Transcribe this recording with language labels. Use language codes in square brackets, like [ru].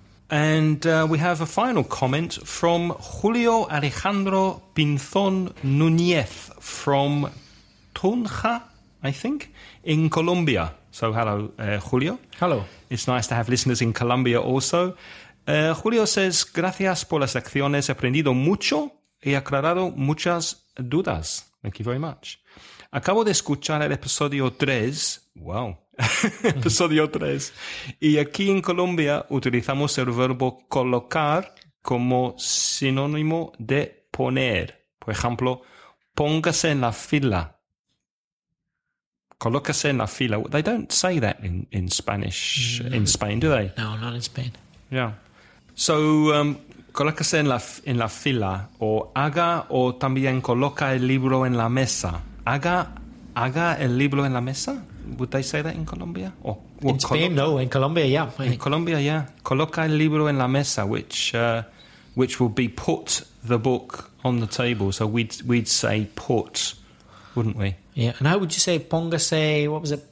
[en] And we have a final comment from Julio Alejandro Pinzón Núñez from Tunja, I think, in Colombia. So hello, Julio. Hello. It's nice to have listeners in Colombia also. Julio says, [es] gracias por las lecciones, he aprendido mucho. He aclarado muchas dudas. [en] Thank you very much. [es] Acabo de escuchar el episodio 3. Wow. Episodio 3. Y aquí en Colombia utilizamos el verbo colocar como sinónimo de poner. Por ejemplo, póngase en la fila. Colócase en la fila. [en] They don't say that in Spanish, no, in Spain, do they? No, not in Spain. Yeah. So... [es] colócase en la fila, o haga, o también coloca el libro en la mesa. Haga el libro en la mesa? [en] Would they say that in Colombia? In Colombia, yeah. [es] Coloca el libro en la mesa, [en] which would be put the book on the table. So we'd say put, wouldn't we? Yeah, and how would you say póngase, what was it?